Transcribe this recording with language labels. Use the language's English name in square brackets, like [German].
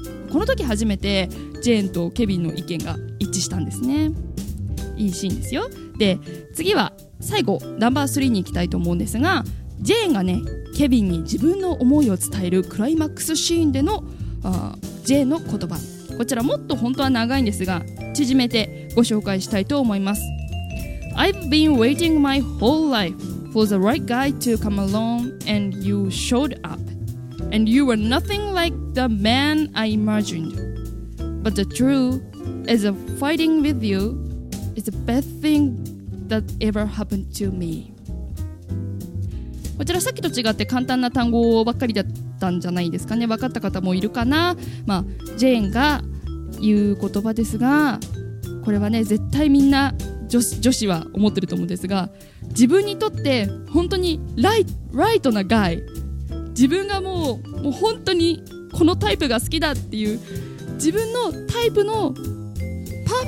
[Japanese] この時初めてジェーンとケビンの意見が一致したんですね。いいシーンですよ。で次は最後ナンバー3に行きたいと思うんですが、ジェーンがねケビンに自分の思いを伝えるクライマックスシーンでのジェーンの言葉、こちらもっと本当は長いんですが縮めてご紹介したいと思います。 [English] I've been waiting my whole life for the right guy to come along and you showed up and you were nothing like the man I imagined, but the truth is fighting with you is the best thing that ever happened to me。 [Japanese] こちらさっきと違って簡単な単語ばっかりだったんじゃないですかね、分かった方もいるかな。まあジェーンが言う言葉ですが、これはね絶対みんな女子は思ってると思うんですが、自分にとって本当にライトなガイ、自分がもう本当にこのタイプが好きだっていう、自分のタイプのパーフェ